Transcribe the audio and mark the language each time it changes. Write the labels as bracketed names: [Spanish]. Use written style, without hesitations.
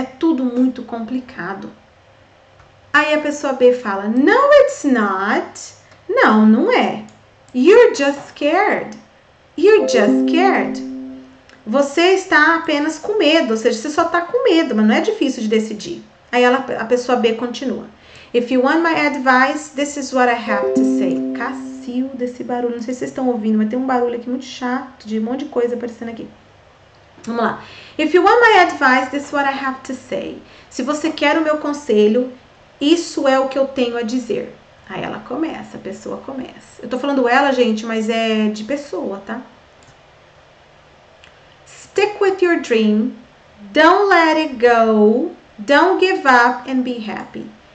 [Portuguese] É tudo muito complicado. Aí a pessoa B fala: [English] No, it's not. [Portuguese] Não, não é. [English] You're just scared. You're just scared. [Portuguese] Você está apenas com medo, ou seja, você só está com medo, mas não é difícil de decidir. Aí ela, a pessoa B continua. [English] If you want my advice, this is what I have to say. [Portuguese] Cacilda desse barulho, não sei se vocês estão ouvindo, mas tem um barulho aqui muito chato, de um monte de coisa aparecendo aqui. Vamos lá. [English] If you want my advice, this is what I have to say. [Portuguese] Se você quer o meu conselho, isso é o que eu tenho a dizer. Aí ela começa, a pessoa começa. Eu tô falando ela, gente, mas é de pessoa, tá? [English] Stick with your dream, don't let it go, don't give up and be happy.